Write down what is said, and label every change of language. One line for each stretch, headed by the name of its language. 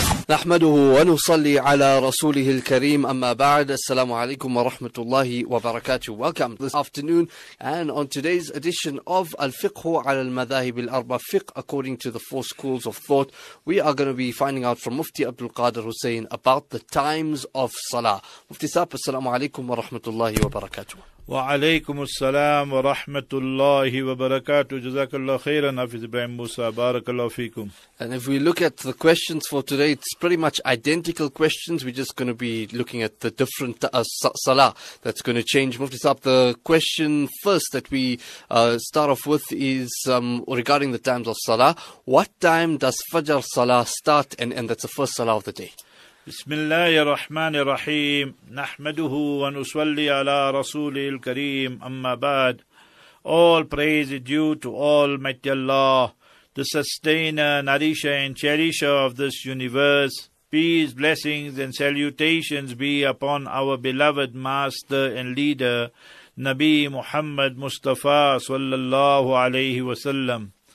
Arabic: نحمده ونصلي على رسوله الكريم أما بعد السلام عليكم ورحمة الله وبركاته.
English: Welcome this afternoon and on today's edition of
Arabic: الفقه على المذاهب الأربع,
English: Fiqh according to the four schools of thought. We are going to be finding out from Mufti Abdul Qadir Hussein about the times of Salah. Mufti Saab,
Arabic: السلام عليكم ورحمة الله وبركاته. وعليكم السلام ورحمة الله وبركاته. جزاك الله خيرا نافذ إبراهيم موسى بارك الله فيكم.
English: And if we look at the questions for today, it's pretty much identical questions. We're just going to be looking at the different salah that's going to change. Mufti Saab, the question first that we start off with is regarding the times of salah. What time does Fajr salah start and end? That's the first salah of the day.
Arabic: بسم الله الرحمن الرحيم نحمده ونصلي على رسوله الكريم أما بعد.
English: All praise is due to Almighty Allah, the sustainer, nourisher and cherisher of this universe. Peace, blessings and salutations be upon our beloved master and leader, Nabi Muhammad Mustafa sallallahu alayhi wa sallam.